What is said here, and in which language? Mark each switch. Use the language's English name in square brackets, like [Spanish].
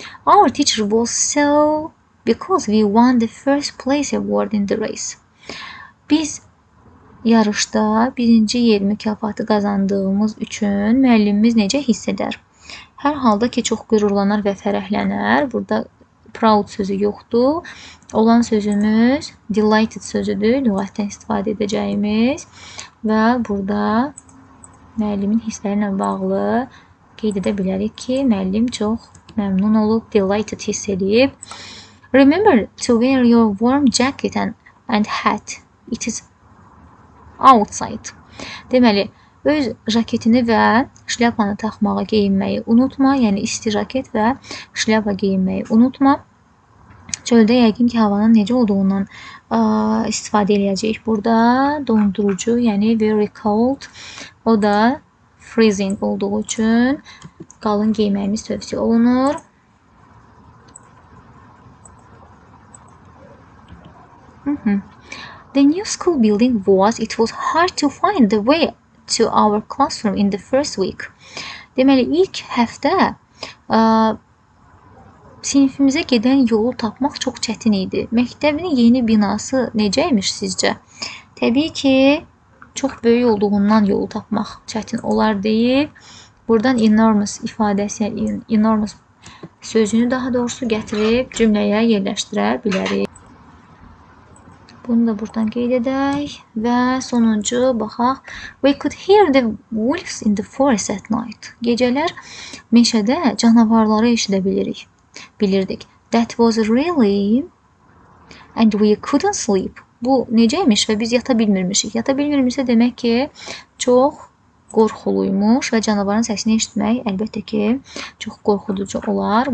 [English] Our teacher was so because we won the first place award in the race. [Azerbaijani] Biz yarışda birinci yer mükafatı qazandığımız üçün müəllimimiz necə hiss edər? Hər halda ki, çox qürurlanar və fərəhlənər. Burada proud sözü yoxdur. Olan sözümüz delighted sözüdür. Lügətdən istifadə edəcəyimiz. Və burada müəllimin hisslərinə bağlı qeyd edə bilərik ki, müəllim çox məmnun olub, delighted hiss edib. [English] Remember to wear your warm jacket and hat. It is outside. [Azerbaijani] Deməli, öz jaketini və şlyapanı taxmağı geyinməyi unutma. Yəni, isti jaket və şlyapa geyinməyi unutma. Çöldə yəqin ki, havanın necə olduğundan istifadə edəcəyik. Burada dondurucu, yəni [English] very cold. [Azerbaijani] O da freezing olduğu üçün qalın geyməyimiz tövsiyə olunur. [English] The new school building was, it was hard to find the way to our classroom in the first week. [Azerbaijani] Deməli, ilk həftə sinifimizə gedən yolu tapmaq çox çətin idi. Məktəbin yeni binası necəymiş sizcə? Təbii ki, çox böyük olduğundan yolu tapmaq çətin olar deyil. Buradan enormous ifadəsi, enormous sözünü daha doğrusu gətirib cümləyə yerləşdirə bilərik. Bunu da buradan qeyd edək. Və sonuncu baxaq. [English] We could hear the wolves in the forest at night. [Azerbaijani] Gecələr meşədə canavarları eşidə bilirik. Bilirdik. [English] That was really and we couldn't sleep. [Azerbaijani] Bu necəymiş və biz yata bilmirmişik. Yata bilmirmişsə demək ki, çox qorxuluymuş və canavarın səsini eşitmək əlbəttə ki, çox qorxuducu olar.